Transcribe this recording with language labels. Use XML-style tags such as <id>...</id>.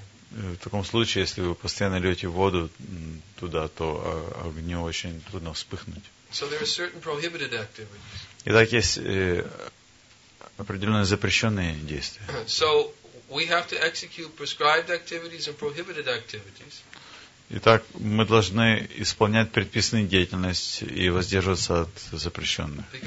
<ru>В таком случае, если вы постоянно льете воду туда, то огню очень трудно вспыхнуть.</ru> <en>So there are certain prohibited activities.</en> <ru>Итак, есть определенные запрещенные действия.</ru> <en>So we have to execute prescribed activities and prohibited activities.</en> <ru>Итак, мы должны исполнять предписанные деятельности и воздерживаться от запрещенных.</ru>